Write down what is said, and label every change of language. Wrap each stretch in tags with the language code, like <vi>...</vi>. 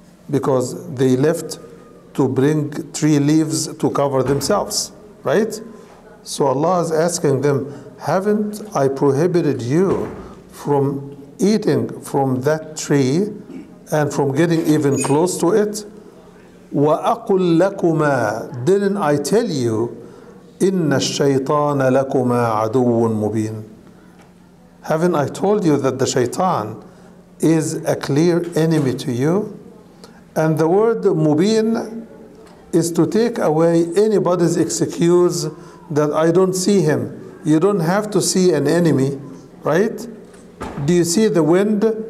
<en>Because they left to bring tree leaves to cover themselves. Right? So Allah is asking them, haven't I prohibited you from eating from that tree and from getting even close to it?</en> <ar>وَأَقُلْ لَكُمَا,</ar> <en>didn't I tell you,</en> <ar>إِنَّ الشَّيْطَانَ لَكُمَا عَدُوٌ مُبِينٌ.</ar> <en>Haven't I told you that the shaitan is a clear enemy to you? And the word مُبِين is to take away anybody's excuse that I don't see him. You don't have to see an enemy, right? Do you see the wind?</en>